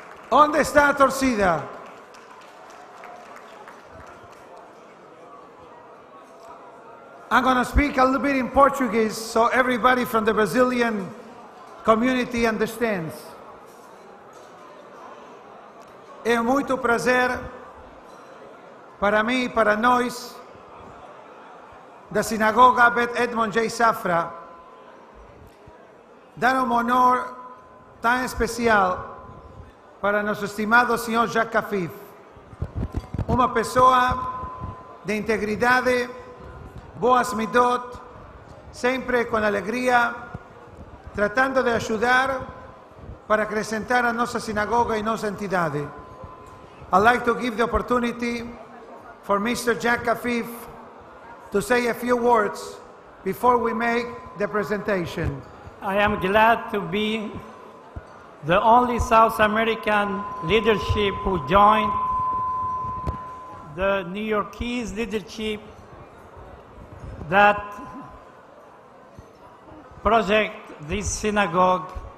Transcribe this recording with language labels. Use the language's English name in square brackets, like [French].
[Spanish] ¿Dónde está torcida? [English] I'm going to speak a little bit in Portuguese so everybody from the Brazilian community understands. [Portuguese] É muito prazer para mim e para nós da sinagoga Beit Edmond J. Safra dar honor tão especial para nosso estimado senhor Jacques Khafif, uma pessoa de integridade, boas midot, sempre com alegria, tratando de ajudar para acrescentar a nossa sinagoga e nossa entidade. [English] I'd like to give the opportunity for Mr. Jacques Khafif to say a few words before we make the presentation. I am glad to be the only South American leadership who joined the New Yorkese leadership that project this synagogue.